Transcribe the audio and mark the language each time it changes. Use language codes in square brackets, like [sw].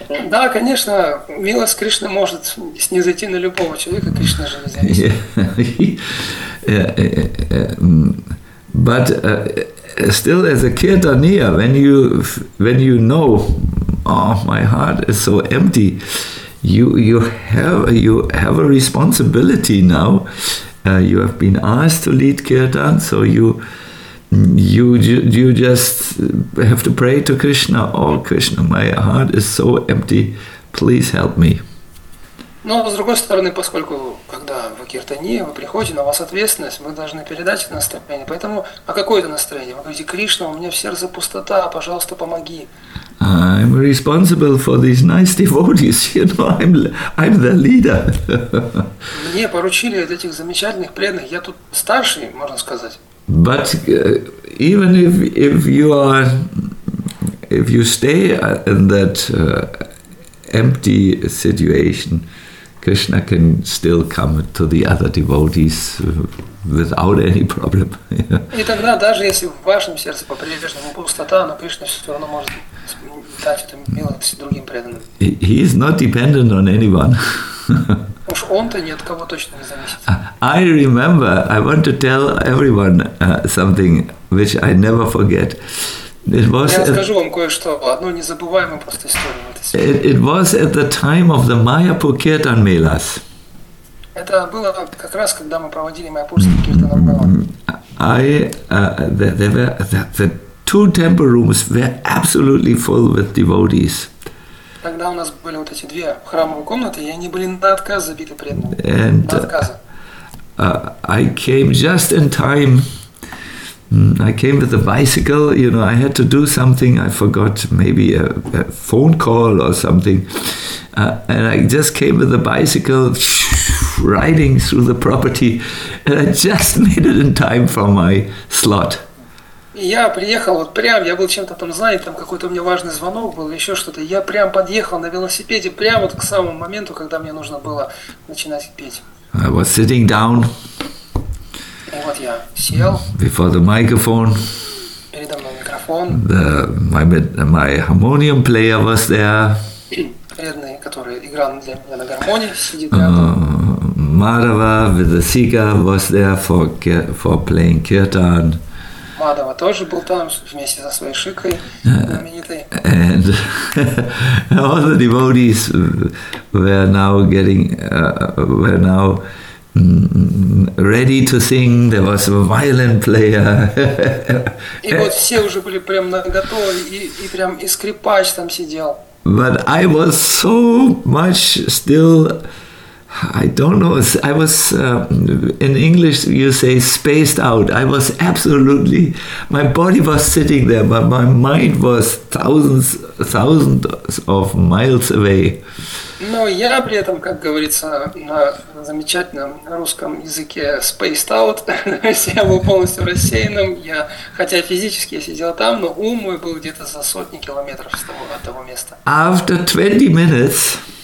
[ru] Да, конечно, милость Кришны может снизойти на любого человека, Кришна же независим. [en] But still, as a kirtaniya, when you know, oh, my heart is so empty, you have a responsibility now. You have been asked to lead kirtan, so you just have to pray to Krishna. Oh, Krishna, my heart is so empty. Please help me. [ru] Но с другой стороны, поскольку когда вы киртани, вы приходите, на вас ответственность, мы должны передать это настроение. Поэтому, а какое это настроение? Вы говорите, Кришна, у меня в сердце пустота, пожалуйста, помоги. [en] I'm responsible for these nice devotees, you know, I'm the leader. [ru] Мне поручили этих замечательных преданных, я тут старший, можно сказать. [en] But even if you stay in that empty situation, Krishna can still come to the other devotees without any problem. [ru] И тогда, даже если в вашем сердце по-прежнему пустота, но Кришна все равно может дать эту милость другим преданным. [en] He is not dependent on anyone. [ru] Уж он-то ни от кого точно не зависит. [en] I remember, I want to tell everyone something which I never forget. It was, [ru] я расскажу вам кое-что, одну незабываемую просто историю. [en] It was at the time of the Mayapur Kirtan Melas. [ru] Это было как раз, когда мы проводили Майяпурский Киртан-Мела. [en] The two temple rooms were absolutely full with devotees. [ru] Тогда у нас были вот эти две храмовые комнаты, и они были на отказ забиты преданными. [en] And I came just in time. I came with a bicycle, you know, I had to do something, I forgot, maybe a phone call or something. And I just came with a bicycle, riding through the property, and I just made it in time for my slot. [ru] Я приехал вот прям, я был чем-то там занят, там какой-то у меня важный звонок был, еще что-то. Я прям подъехал на велосипеде, прямо вот к самому моменту, когда мне нужно было начинать петь. [en] I was sitting down. [ru] Вот я сел. [en] Before the microphone. [ru] Передо мной микрофон. [en] My harmonium player was there. [ru] Преданный, который играл для меня на гармонии, сидит рядом. [en] Madhava with the sika was there for playing kirtan. [ru] Madhava тоже был там вместе со своей шикой, знаменитой. [en] And all the devotees were now ready to sing, there was a violin player. [ru] И вот все уже были прям наготове, и прям и скрипач там сидел. [en] But I was so much still, I don't know, I was, in English you say spaced out, I was absolutely, my body was sitting there, but my mind was thousands of miles away. [ru] Но я при этом, как говорится на замечательном русском языке, [en] spaced out, [ru] я был полностью рассеянным, я, хотя физически я сидел там, но ум мой был где-то за сотни километров от того места. [en] After 20 minutes,